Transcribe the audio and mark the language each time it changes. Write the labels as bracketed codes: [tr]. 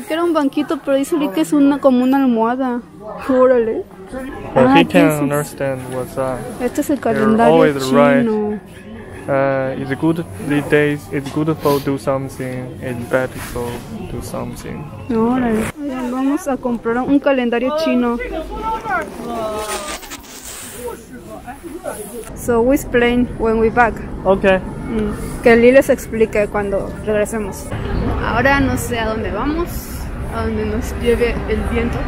[es] Era un banquito, pero dice que es una como una almohada. Órale. [en] Well, he can't understand what's that. [es] Este es el calendario chino. [en] Right. It's good for do something, it's bad for do something. [es] Órale. Vamos a comprar un calendario chino. [en] So we explain when we back. Okay. [es] Que Lee les explique cuando regresemos. Ahora no sé a dónde vamos, a dónde nos lleve el viento.